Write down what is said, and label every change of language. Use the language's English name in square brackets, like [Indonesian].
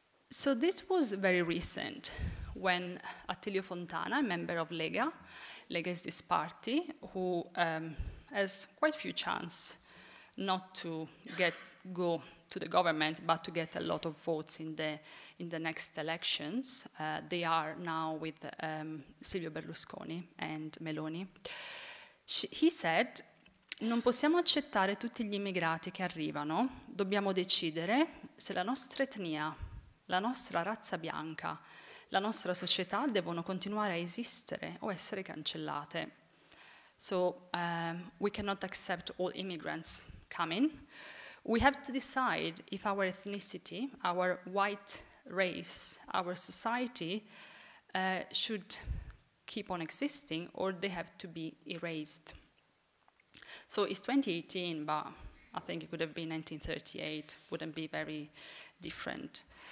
[English] So this was very recent when Attilio Fontana, a member of Lega, Lega is this party who has quite a few chance not to go to the government, but to get a lot of votes in the next elections. They are now with Silvio Berlusconi and Meloni. [Italian] He said, non possiamo accettare tutti gli immigrati che arrivano, dobbiamo decidere se la nostra etnia, la nostra razza bianca, la nostra società devono continuare a esistere o essere cancellate. [English] So, we cannot accept all immigrants coming. We have to decide if our ethnicity, our white race, our society should keep on existing or they have to be erased. So it's 2018, but I think it could have been 1938, wouldn't be very different.